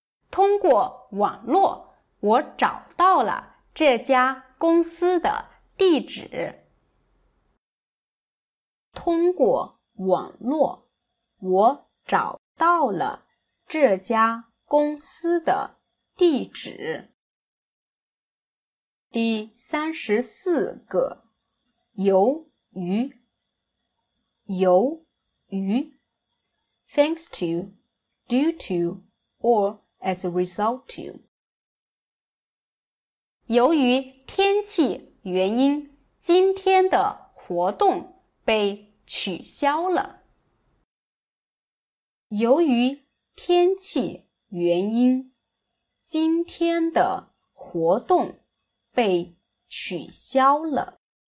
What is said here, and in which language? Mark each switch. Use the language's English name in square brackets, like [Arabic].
[Chinese] 通过网络，我找到了这家公司的地址。通过网络，我找到了这家公司的地址。第34个，由于，由于 [English] ，thanks to, due to, or as a result to。 [Chinese] 由于天气原因，今天的活动被取消了。由于天气原因，今天的活动被取消了。